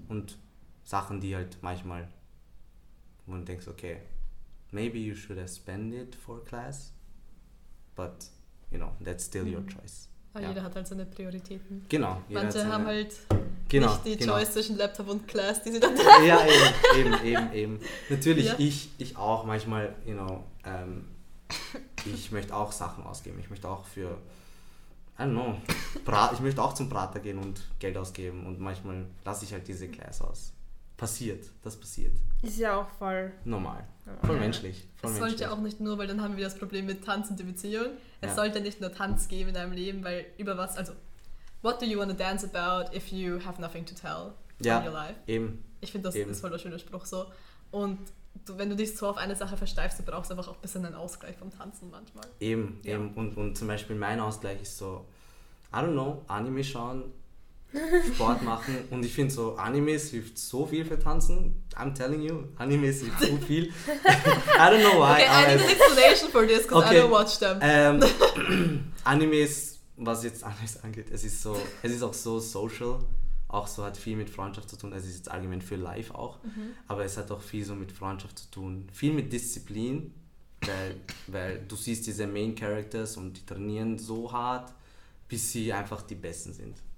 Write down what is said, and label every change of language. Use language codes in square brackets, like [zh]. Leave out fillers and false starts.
[de] Und Sachen, die halt manchmal, wo man denkt, [en] okay, maybe you should have spent it for class, but, you know, that's still your choice. [de] Ah, ja. Jeder hat halt seine Prioritäten. Genau. Manche haben halt nicht die Choice zwischen Laptop und Class, die sie dann haben. Ja, eben. Natürlich, ja. Ich auch manchmal, [en] you know, [de] ich möchte auch Sachen ausgeben. Ich möchte auch für, [en] I don't know, [de] ich möchte auch zum Prater gehen und Geld ausgeben. Und manchmal lasse ich halt diese Class aus. Passiert. Ist ja auch voll normal. Voll menschlich. Es sollte ja auch nicht nur, weil dann haben wir das Problem mit Tanz und die Beziehung. Es sollte nicht nur Tanz geben in deinem Leben, weil über was, also, [en] what do you want to dance about if you have nothing to tell in your life? [de] Eben. Ich finde, das ist voll der schöne Spruch so. Und du, wenn du dich so auf eine Sache versteifst, du brauchst einfach auch ein bisschen einen Ausgleich vom Tanzen manchmal. Eben. Und zum Beispiel mein Ausgleich ist so, [en] I don't know, [de] Anime schauen, Sport machen, und ich finde so, Animes hilft so viel für Tanzen. [en] I'm telling you, [de] Animes hilft so viel. [en] I don't know why. Okay, I need an explanation for this, because I don't watch them. [de] Animes, was jetzt Animes angeht, es ist auch so social, auch so, hat viel mit Freundschaft zu tun, es ist jetzt allgemein für life auch, aber es hat auch viel so mit Freundschaft zu tun, viel mit Disziplin, weil du siehst diese Main Characters und die trainieren so hart, bis sie einfach die Besten sind.